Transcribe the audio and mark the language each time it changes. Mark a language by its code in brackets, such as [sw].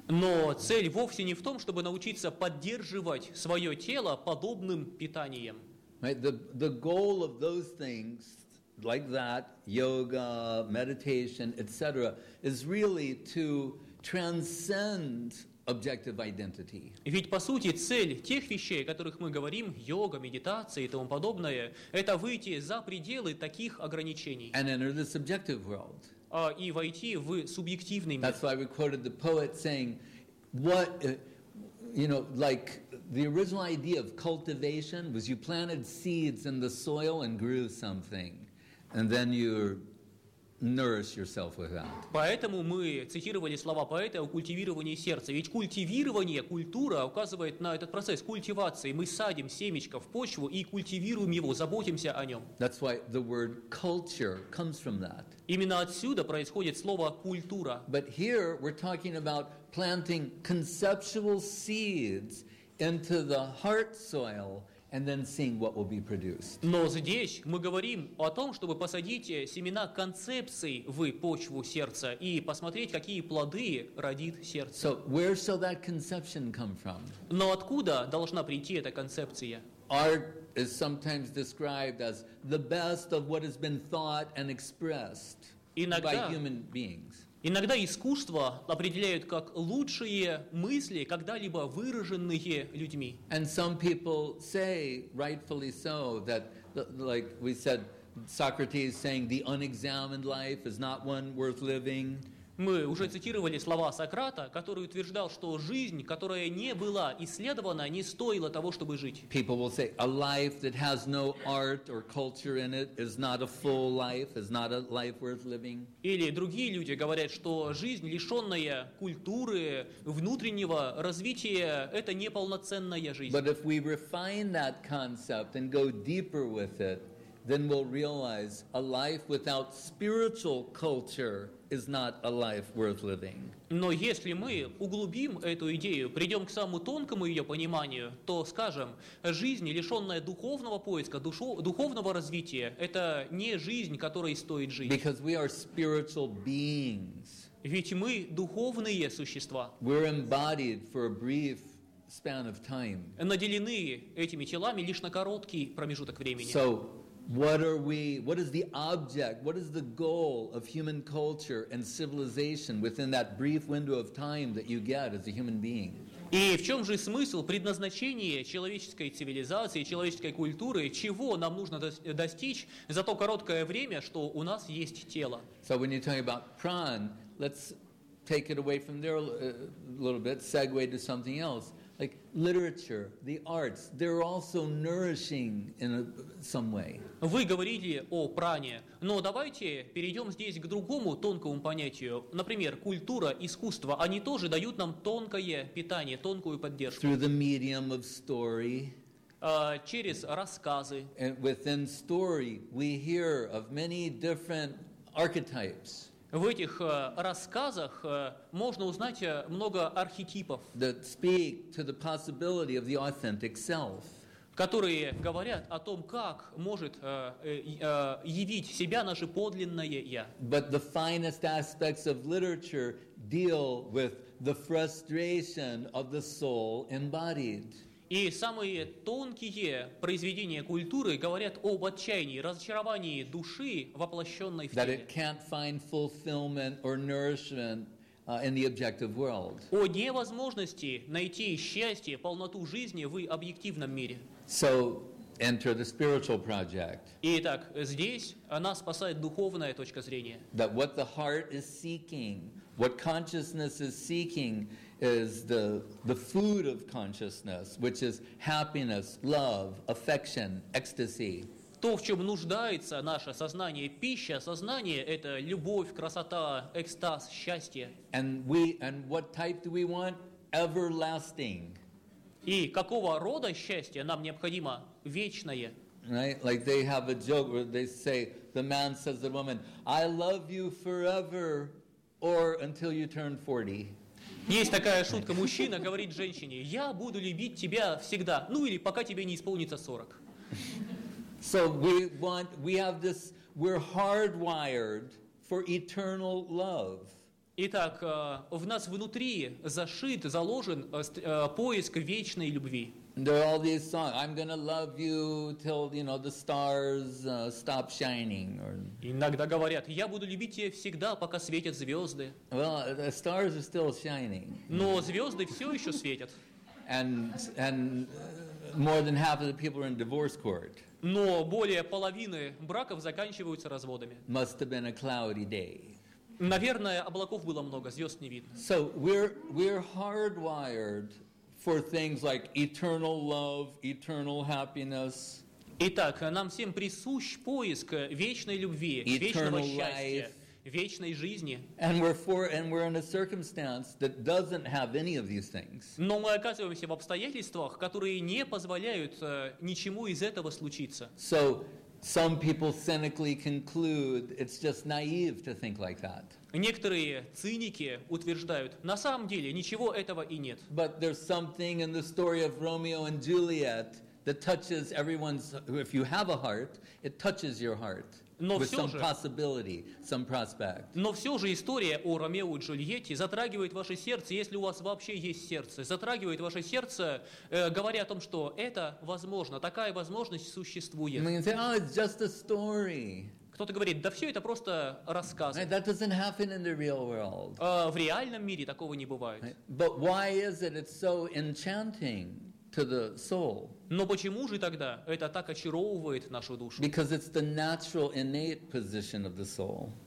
[ru] Но цель вовсе не в том, чтобы научиться поддерживать свое тело подобным питанием. [en] Right? The goal of those things, like that, yoga, meditation, etc., is really to transcend objective identity. [ru] Ведь по сути цель тех вещей, о которых мы говорим, йога, медитация и тому подобное, это выйти за пределы таких ограничений. [en] And enter the subjective world. [ru] и войти в субъективный мир. [en] That's why we quoted the poet saying, "What, you know, like the original idea of cultivation was you planted seeds in the soil and grew something, and then you nourish yourself with that." [ru] Поэтому мы цитировали слова поэта о культивировании сердца. Ведь культивирование, культура указывает на этот процесс культивации. Мы садим семечко в почву и культивируем его, заботимся о нем. [en] That's why the word culture comes from that. [ru] Именно отсюда происходит слово культура. [en] But here we're talking about planting conceptual seeds into the heart soil and then seeing what will be produced. [ru] Но здесь мы говорим о том, чтобы посадить семена концепции в почву сердца и посмотреть, какие плоды родит сердце. [en] So where shall that conception come from? [ru] Но откуда должна прийти эта концепция? [en] Art is sometimes described as the best of what has been thought and expressed by human beings. [ru] Иногда искусство определяют как лучшие мысли, когда-либо выраженные людьми. [en] And some people say, rightfully so, that, like we said, Socrates saying, the unexamined life is not one worth living. [ru] Мы уже цитировали слова Сократа, который утверждал, что жизнь, которая не была исследована, не стоила того, чтобы жить. [en] People will say, a life that has no art or culture in it is not a full life, is not a life worth living. [ru] Или другие люди говорят, что жизнь, лишенная культуры, внутреннего развития, это неполноценная жизнь. [en] But if we refine that concept and go deeper with it, then we'll realize a life without spiritual culture is not a life worth living. [ru] Но если мы углубим эту идею, придем к самому тонкому ее пониманию, то скажем, жизнь, лишенная духовного поиска, духовного развития, это не жизнь, которой стоит жить. [en] Because we are spiritual beings. [ru] Ведь мы духовные существа. [en] We're embodied for a brief span of time. [ru] Наделены этими телами лишь на короткий промежуток времени. [en] So, what are we, what is the object, what is the goal of human culture and civilization within that brief window of time that you get as a human being? [ru] И в чем же смысл, предназначение человеческой цивилизации, человеческой культуры, чего нам нужно достичь за то короткое время, что у нас есть тело? [en] So when you're talking about pran, let's take it away from there a little bit, segue to something else. Like literature, the arts, they're also nourishing in some way. [ru] Вы говорили о пране, но давайте перейдем здесь к другому тонкому понятию. Например, культура, искусство, они тоже дают нам тонкое питание, тонкую поддержку. [en] Through the medium of story. [ru] Через рассказы. [en] And within story, we hear of many different archetypes. [ru] В этих рассказах можно узнать много архетипов, [en] that speak to the possibility of the authentic self, [ru] которые говорят о том, как может явить себя наше подлинное «я». [en] But the finest aspects of literature deal with the frustration of the soul embodied. [ru] И самые тонкие произведения культуры говорят об отчаянии, разочаровании души, воплощенной в теле. [en] That it can't find fulfillment or nourishment in the objective world. [ru] О невозможности найти счастье, полноту жизни в объективном мире. [en] So, enter the spiritual project. [ru] Итак, здесь нас спасает духовная точка зрения. [en] That what the heart is seeking, what consciousness is seeking, is the food of consciousness, which is happiness, love, affection, ecstasy. [ru] То, в чем нуждается наше сознание, пища сознания, это любовь, красота, экстаз, счастье. [en] And what type do we want? Everlasting. [ru] И какого рода счастье нам необходимо? Вечное. [en] Right? Like they have a joke where they say, the man says to the woman, I love you forever or until you turn 40. [ru] Есть такая шутка, мужчина говорит женщине, я буду любить тебя всегда, ну или пока тебе не исполнится 40. [en] So we have this, we're hardwired for eternal love. [ru] Итак, в нас внутри зашит, заложен поиск вечной любви. [en] There are all these songs, I'm gonna love you till, you know, the stars stop shining. [ru] Иногда говорят, я буду любить тебя всегда, пока светят звезды. [en] Well, the stars are still shining. [ru] Но звезды все еще светят. [en] And more than half of the people are in divorce court. [ru] Но более половины браков заканчиваются разводами. [en] Must have been a cloudy day. [ru] Наверное, облаков было много, звезд не видно. [en] So we're hardwired for things like eternal love, eternal happiness. [ru] Итак, нам всем присущ поиск вечной любви, вечного счастья, вечной жизни. [en] And we're in a circumstance that doesn't have any of these things. [ru] Но мы оказываемся в обстоятельствах, которые не позволяют ничему из этого случиться. [en] So some people cynically conclude it's just naive to think like that. [ru] Некоторые циники утверждают, на самом деле ничего этого и нет. [en] But there's something in the story of Romeo and Juliet that touches everyone's, if you have a heart, it touches your heart. [ru] Но [en] with some possibility, some prospect. [ru] Но все же история о Ромео и Джульетте затрагивает ваше сердце, если у вас вообще есть сердце. Затрагивает ваше сердце, говоря о том, что это возможно, такая возможность существует. [en] You say, oh, it's just a story. [ru] Кто-то говорит, да все это просто рассказ. [en] Right, that doesn't happen in the real world. [ru] В реальном мире такого не бывает. [en] Right. But why is it it's so enchanting to the soul? [ru] Но почему же тогда это так очаровывает нашу душу? [en] Because it's the natural, innate position of the soul.